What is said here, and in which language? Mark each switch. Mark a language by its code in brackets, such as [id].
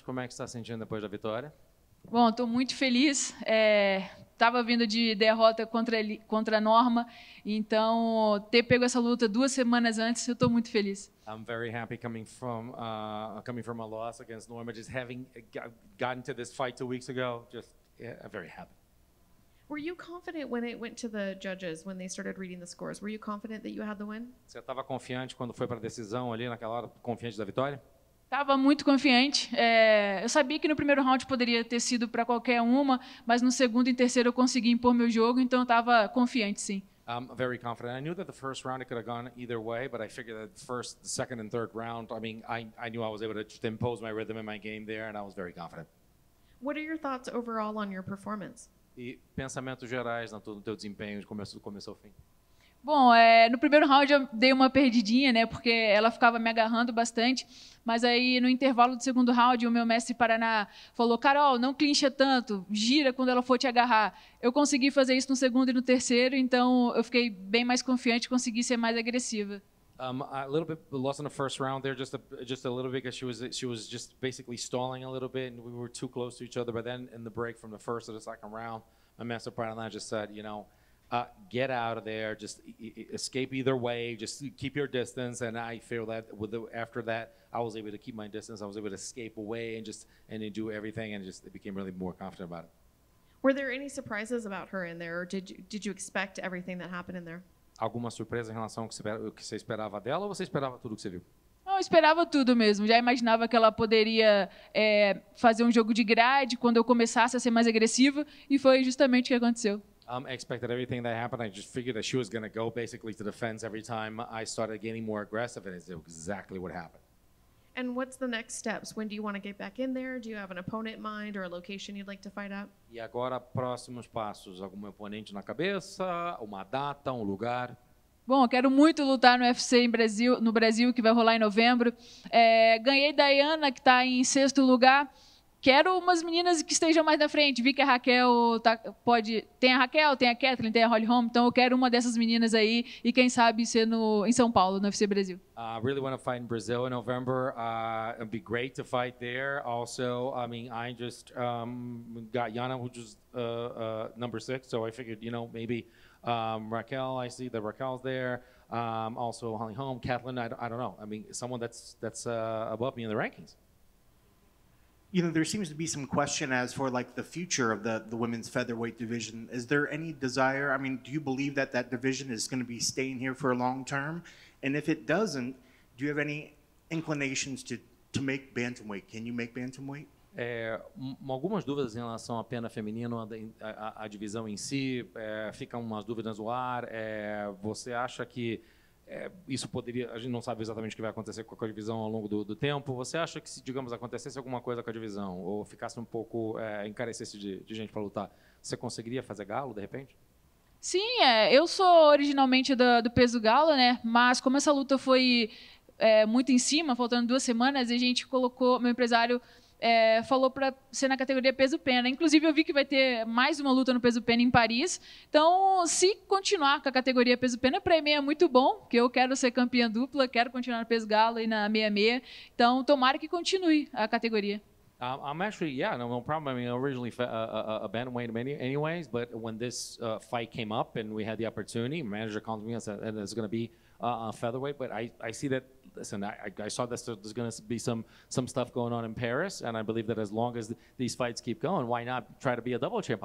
[pt] Como é que você está sentindo depois da vitória? Bom, estou muito feliz. Estava vindo de derrota contra a Norma, então ter pego essa luta duas semanas antes, eu estou muito feliz. [en] I'm very happy coming from a loss against Norma, just having gotten to this fight 2 weeks ago. Just very happy. Were you confident when it went to the judges, when they started reading the scores? Were you confident that you had the win? [pt] Você estava confiante quando foi para a decisão ali naquela hora, confiante da vitória? Estava muito confiante. Eu sabia que no primeiro round poderia ter sido para qualquer uma, mas no segundo e terceiro eu consegui impor meu jogo, então estava confiante, sim. [en] I'm very confident. I knew that the first round it could have gone either way, but I figured that the second and third round, I mean, I knew I was able to just impose my rhythm in my game there, and I was very confident. What are your thoughts overall on your performance? [pt] E pensamentos gerais no teu desempenho de começo ao fim. Bom, no primeiro round eu dei uma perdidinha, né, porque ela ficava me agarrando bastante, mas aí no intervalo do segundo round o meu mestre Paraná falou: Karol, não clincha tanto, gira quando ela for te agarrar. Eu consegui fazer isso no segundo e no terceiro, então eu fiquei bem mais confiante, consegui ser mais agressiva. [en] A little bit lost in the first round there, just a little bit, because she was just basically stalling a little bit, and we were too close to each other. But then in the break from the first to the second round, my mestre Paraná just said, you know, get out of there, just escape either way, just keep your distance. And I feel that after that, I was able to keep my distance, I was able to escape away and do everything, and just became really more confident about it. Were there any surprises about her in there, or did you expect everything that happened in there? [pt] Alguma surpresa em relação ao que você esperava dela, ou você esperava tudo que você viu? Não, eu esperava tudo mesmo. Já imaginava que ela poderia fazer um jogo de grade quando eu começasse a ser mais agressiva, e foi justamente o que aconteceu. [en] I expected everything that happened. I just figured that she was going to go basically to defense every time I started getting more aggressive, and it's exactly what happened. And what's the next steps? When do you want to get back in there? Do you have an opponent in mind or a location you'd like to fight at? [pt] E agora, próximos passos? Algum oponente na cabeça? Uma data? Um lugar? Bom, eu quero muito lutar no UFC no Brasil, que vai rolar em novembro. Ganhei da Yana, que está em sexto lugar. Quero umas meninas que estejam mais na frente. Vi que a Raquel tá, pode... Tem a Raquel, tem a Kathleen, tem a Holly Holm. Então, eu quero uma dessas meninas aí. E quem sabe ser em São Paulo, no UFC Brasil. [en] I really want to fight in Brazil in November. It would be great to fight there. Also, I mean, I just got Yana, who's number six. So, I figured, you know, maybe Raquel. I see that Raquel's there. Also, Holly Holm, Kathleen. I don't know. I mean, someone that's above me in the rankings. You know, there seems to be some question as for, like, the future of the women's featherweight division. Is there any desire? I mean, do you believe that that division is going to be staying here for a long term? And if it doesn't, do you have any inclinations to make bantamweight? Can you make bantamweight? [pt] Algumas dúvidas em relação à pena feminina, a divisão em si. Ficam umas dúvidas no ar. Você acha que... isso poderia, a gente não sabe exatamente o que vai acontecer com a divisão ao longo do tempo. Você acha que, se, digamos, acontecesse alguma coisa com a divisão, ou ficasse um pouco, encarecesse de gente para lutar, você conseguiria fazer galo, de repente? Sim, eu sou originalmente do peso galo, né? Mas como essa luta foi muito em cima, faltando duas semanas, a gente colocou, meu empresário falou para ser na categoria peso-pena. Inclusive, eu vi que vai ter mais uma luta no peso-pena em Paris. Então, se continuar com a categoria peso-pena, para mim é muito bom, porque eu quero ser campeã dupla, quero continuar no peso-galo e na meia-meia. Então, tomara que continue a categoria. [en] I'm actually, yeah, no problem. I mean, originally a bantamweight anyways, but when this fight came up and we had the opportunity, manager called me and said that it's going to be a featherweight, but I see that. Listen, I saw that there's going to be some stuff going on in Paris, and I believe that as long as these fights keep going, why not try to be a double champ?